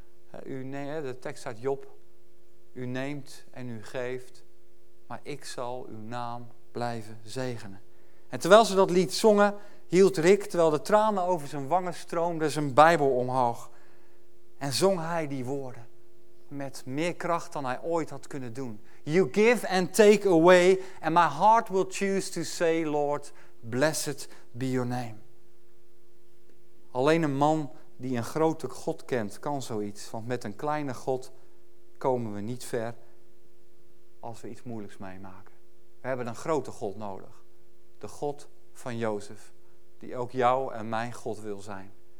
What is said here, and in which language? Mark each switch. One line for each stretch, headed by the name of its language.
Dutch: De tekst uit Job. U neemt en u geeft, maar ik zal uw naam blijven zegenen. En terwijl ze dat lied zongen, hield Rick, terwijl de tranen over zijn wangen stroomden, zijn Bijbel omhoog. En zong hij die woorden met meer kracht dan hij ooit had kunnen doen.
English: You give and take away, and my heart will choose to say, Lord, blessed be your name.
Dutch: Alleen een man die een grote God kent, kan zoiets. Want met een kleine God komen we niet ver als we iets moeilijks meemaken. We hebben een grote God nodig. De God van Jozef, die ook jou en mijn God wil zijn.